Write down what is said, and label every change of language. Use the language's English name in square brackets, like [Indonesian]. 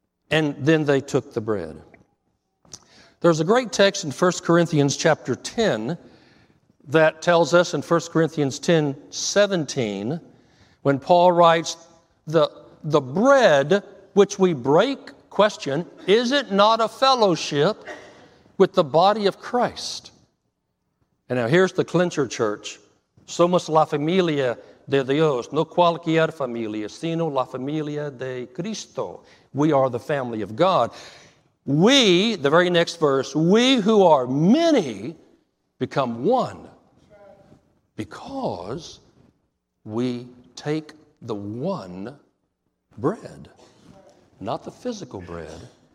[English] And then they took the bread. There's a great text in 1 Corinthians chapter 10 that tells us in 1 Corinthians 10, 17, when Paul writes, the bread which we break, question, is it not a fellowship with the body of Christ? And now here's the clincher, church. [Spanish] Somos la familia de Dios, no cualquier familia, sino la familia de Cristo. [English] We are the family of God. We, the very next verse, we who are many become one because we take the one bread, not the physical bread.